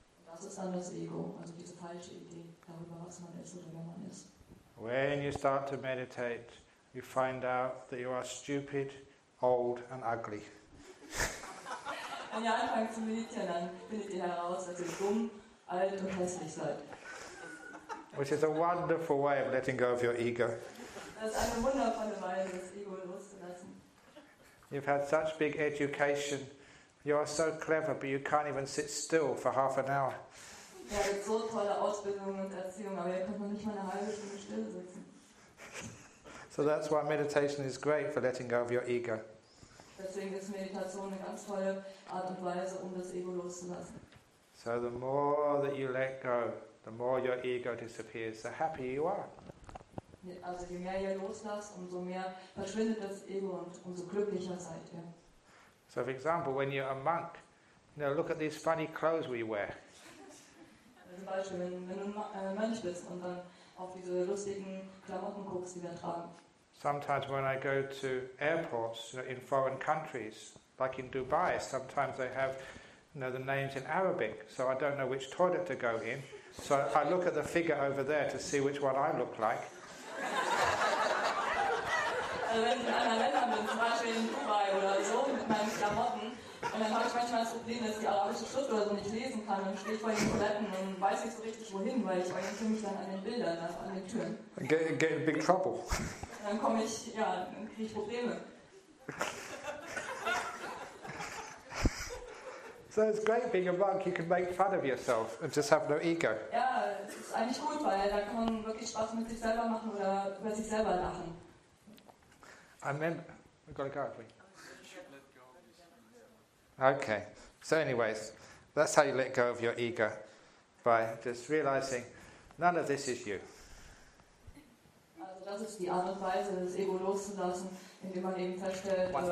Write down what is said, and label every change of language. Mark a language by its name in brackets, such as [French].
[German] Das ist dann das Ego, also diese falsche Idee darüber, was man ist oder wer man ist. [English] When you start to meditate, you find out that you are stupid, old and ugly. [German] Wenn ihr anfangt zu meditieren, dann findet ihr heraus, dass ihr dumm, alt und hässlich seid. [English] Which is a wonderful way of letting go of your ego. [German] Das ist eine wundervolle Weise, das Ego loszulassen. [English] You've had such big education. You are so clever, but you can't even sit still for half an hour. [German] Ja, mit so tolle Ausbildung und Erziehung, aber ihr könnt man nicht mal eine halbe Stunde still sitzen. [English] So that's why meditation is great for letting go of your ego. [German] Deswegen ist Meditation eine ganz tolle Art und Weise, um das Ego loszulassen. [English] So the more that you let go, the more your ego disappears, the happier you are. [German] Also je mehr ihr loslasst, umso mehr verschwindet das Ego und umso glücklicher seid ihr. [English] So, for example, when you're a monk, you know, look at these funny clothes we wear. [German] Also, zum Beispiel, wenn du ein Mönch bist und dann auf diese lustigen Klamotten guckst, die wir tragen. [English] Sometimes when I go to airports, you know, in foreign countries, like in Dubai, sometimes they have, you know, the names in Arabic, so I don't know which toilet to go in. So I look at the figure over there to see which one I look like. [German] Also wenn ich in anderen Ländern bin, zum Beispiel in Dubai oder so, mit meinen Klamotten, und dann habe ich manchmal das Problem, dass ich die arabische Schrift oder so nicht lesen kann und stehe vor den Toiletten und weiß nicht so richtig wohin, weil ich orientiere mich dann an den Bildern, an den Türen. [English] Get in big trouble. [German] Und dann komme ich, ja, dann kriege ich Probleme. [English] So it's great being a monk, you can make fun of yourself and just have no ego. [German] Ja, es ist eigentlich gut, weil da kann man wirklich Spaß mit sich selber machen oder über sich selber lachen. [English] I remember, we've got to go, have we? Okay, so anyways, that's how you let go of your ego, by just realizing none of this is you. [German] Also das ist die Art und Weise, das Ego loszulassen, indem man eben feststellt,